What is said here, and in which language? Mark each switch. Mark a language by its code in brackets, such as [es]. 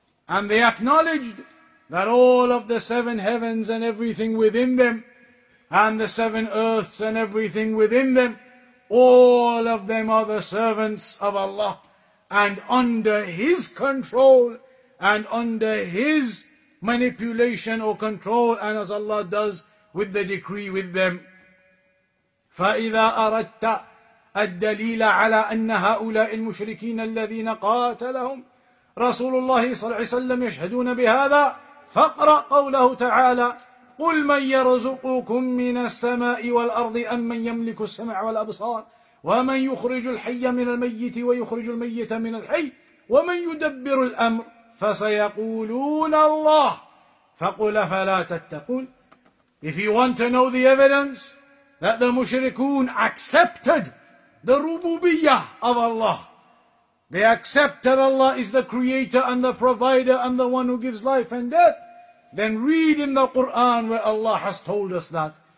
[en] And they acknowledged that all of the seven heavens and everything within them, and the seven earths and everything within them, all of them are the servants of Allah, and under His control, and under His manipulation or control, and as Allah does with the decree with them. [ar] فَإِذَا أَرَدْتَ الدليل على أن هؤلاء المشركين الذين قاتلهم رسول الله صلى الله عليه وسلم يشهدون بهذا فاقرأ قوله تعالى قل من يرزقكم من السماء والأرض أم من يملك السمع والأبصار ومن يخرج الحي من الميت ويخرج الميت من الحي ومن يدبر الأمر فسيقولون الله فقل فلا تتقون. [en] If you want to know the evidence that the mushrikun accepted the rububiyyah of Allah, they accepted Allah is the creator and the provider and the one who gives life and death, then read in the Quran where Allah has told us that.